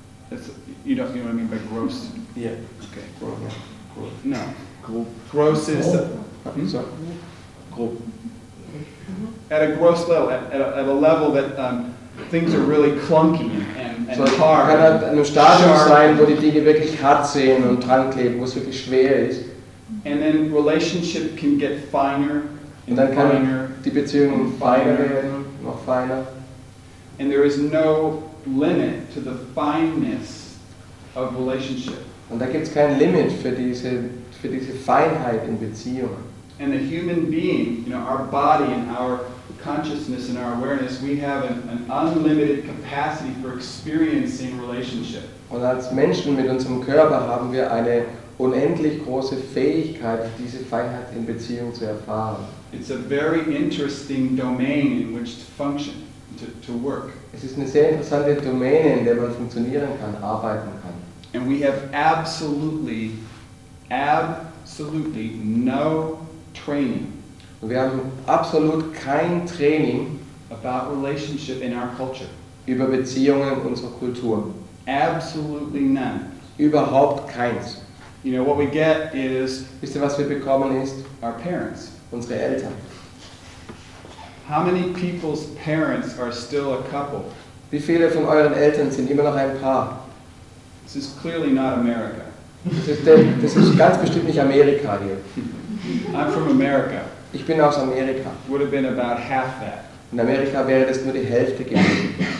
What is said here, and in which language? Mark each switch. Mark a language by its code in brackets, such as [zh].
[en] It's, you know what I mean by gross? Yeah. Okay. Gross. Yeah. No. Gross is. Gross. At a gross level, at a level that things are really clunky and hard. [de] Kann halt ein Stadium sein, wo die Dinge wirklich hart sind und dran kleben, wo es wirklich schwer ist. [en] And then relationship can get finer. [de] Und dann kann die Beziehung feiner werden. noch feiner. [en] And there is no limit to the fineness of relationship. [de] Und da gibt's kein Limit für diese Feinheit in Beziehung. [en] And the human being, you know, our body and our consciousness and our awareness, we have an unlimited capacity for experiencing relationship. [de] Und als Menschen mit unserem Körper haben wir eine unendlich große Fähigkeit, diese Feinheit in Beziehung zu erfahren. [en] It's a very interesting domain in which to function, to work. [de] Es ist eine sehr interessante Domäne, in der man funktionieren kann, arbeiten kann. [en] And we have absolutely no training. [de] Wir haben absolut kein Training [en] about relationship in our culture. [de] Über Beziehungen in unserer Kultur. [en] Absolutely none. [de] Überhaupt keins. [en] You know what we get is, [de] wisst ihr, was wir bekommen ist? [en] Our parents. [de] Unsere Eltern. [en] How many people's parents are still a couple? [de] Wie viele von euren Eltern sind immer noch ein Paar? [en] This is clearly not America. [de] Das ist ganz bestimmt nicht Amerika hier. [en] I'm from America. [de] Ich bin aus Amerika. [en] Would have been about half that. [de] In Amerika wäre das nur die Hälfte gewesen.